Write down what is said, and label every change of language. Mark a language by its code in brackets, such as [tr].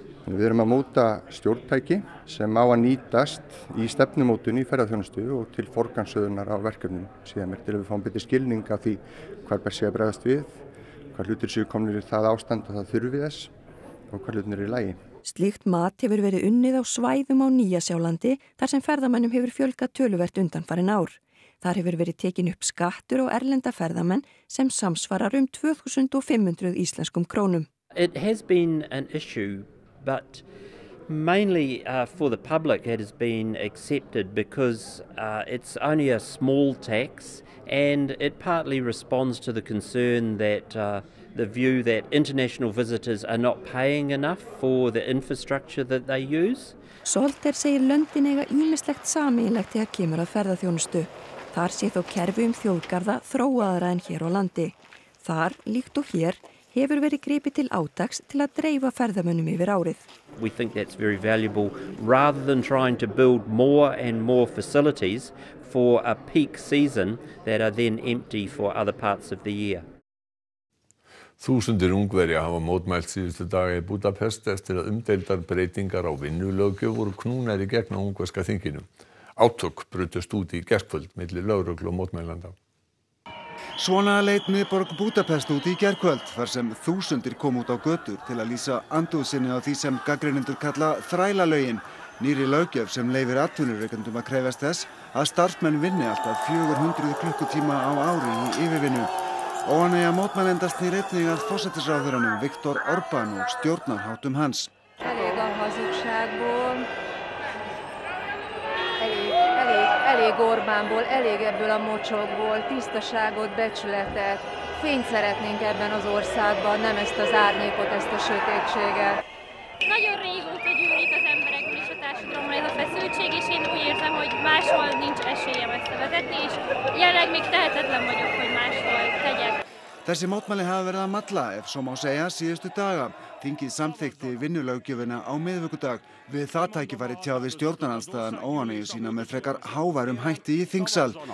[is] Við erum að móta stjórntæki sem á að nýtast í stefnumótun í ferðaþjónustu og til forgangsröðunar á verkefnum síðan er til að við fáum betri skilning af því hvar ber sig að bregðast við, hvar hlutir séu komnir í það ástand að það þurfi þess og hvar hlutir eru í lagi. Slíkt mat hefur verið unnið á svæðum á Nýja-Sjálandi þar sem ferðamönnum hefur fjölgað töluvert undanfarin ár. Þar hefur verið tekin upp skattur og erlenda ferðamenn sem samsvarar 2500 íslenskum krónum. [en] It has been an issue. But mainly for the public it has been accepted because it's only a small tax and it partly responds to the concern that the view that international visitors are not paying enough for the infrastructure that they use. [is] Solter segir löndin eiga ýmislegt sameiginlegt þegar kemur að ferðaþjónustu. Þar sé þó kerfi þjóðgarða þróaðra en hér á landi. Þar, líkt og hér, hefur verið gripið til átaks til að dreifa ferðamönnum yfir árið. [en] We think that's very valuable rather than trying to build more and more facilities for a peak season that are then empty for other parts of the year. [is] Þúsundir Ungverja hafa mótmælt síðustu daga í Budapest eftir að umdeildar breytingar á vinnulöggjöf voru knúnar í gegn á ungverska þinginu. Átök brutust út í gærkvöld milli lögreglu og mótmælenda. Svona leit miðborg Budapest út í gærkvöld þar sem þúsundir kom út á götur til að lýsa andúð sinni á því sem gagnrýnendur kalla þrælalögin, nýri löggjöf sem leyfir atvinnurekendum að krefjast þess að starfsmenn vinni alltaf 400 klukkutíma á ári í yfirvinnu. Óánægja mótmælenda snýr einnig að forsætisráðherranum Viktor Orbán og stjórnarháttum hans. [hu] Elég a hazugságból, elég Orbánból, elég ebből a mocsokból, tisztaságot, becsületet. Fényt szeretnénk ebben az országban, nem ezt az árnyékot, ezt a sötétséget. Nagyon régóta gyűlik az emberekből is a társadalomra ez a feszültség, és én úgy érzem, hogy máshol nincs esélyem ezt vezetni, és jelenleg még tehetetlen vagyok, hogy máshol tegyek. [is] Þessi mótmæli hafa verið að malla, ef svo má segja, síðustu daga. Þingið samþykkti vinnulöggjöfina á miðvikudag. Við það tækifæri tjáði stjórnarandstaðan óánægju sína með frekar háværum hætti í þingsal.